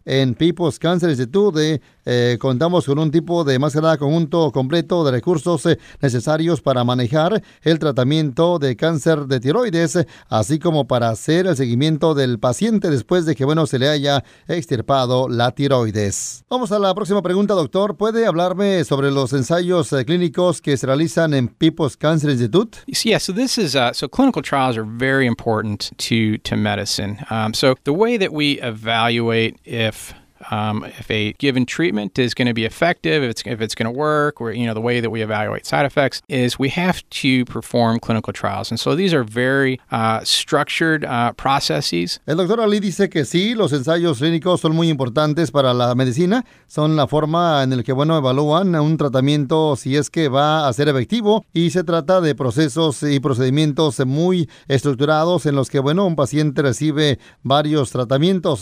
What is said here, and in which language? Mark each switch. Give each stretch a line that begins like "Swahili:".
Spanish: En People's Cancer Institute contamos con un tipo de, más que nada, conjunto completo de recursos necesarios para manejar el tratamiento de cáncer de tiroides, así como para hacer el seguimiento del paciente después de que, bueno, se le haya extirpado la tiroides. Vamos a la próxima pregunta, doctor. ¿Puede hablarme sobre los ensayos clínicos que se realizan en People's Cancer Institute? Sí,
English: so this is so clinical trials are very important to medicine. So the way that we evaluate if If a given treatment is going to be effective, if it's going to work, or, you know, the way that we evaluate side effects is we have to perform clinical trials. And so these are very structured processes.
Spanish: El doctor Ali dice que sí, los ensayos clínicos son muy importantes para la medicina. Son la forma en la que, bueno, evalúan un tratamiento si es que va a ser efectivo. Y se trata de procesos y procedimientos muy estructurados en los que, bueno, un paciente recibe varios tratamientos.